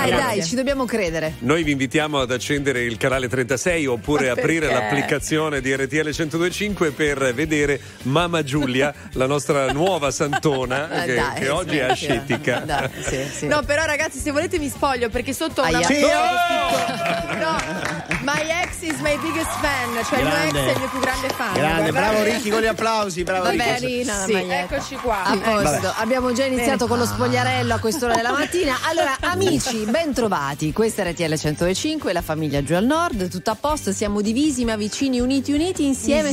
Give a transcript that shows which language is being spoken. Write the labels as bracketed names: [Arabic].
[Italian] Dai, dai, ci dobbiamo credere. Noi vi invitiamo ad accendere il canale 36 oppure aprire l'applicazione di RTL 102.5 per vedere Mama Giulia, la nostra nuova santona. Che, dai, che oggi è ascetica. No, no, però ragazzi, se volete mi spoglio perché sotto una scritto, [English] no, my ex is my biggest fan, [Italian] cioè grande. Il mio ex è il mio più grande fan. Grande, bravo Ricky, con gli applausi, bravo. Va Ricky. Bene, sì, eccoci qua. A posto. Vabbè. Abbiamo già iniziato con lo spogliarello a quest'ora della mattina. Allora, amici, bentrovati. Questa è RTL 105, la famiglia giù al nord, tutto a posto, siamo divisi ma vicini, uniti uniti insieme,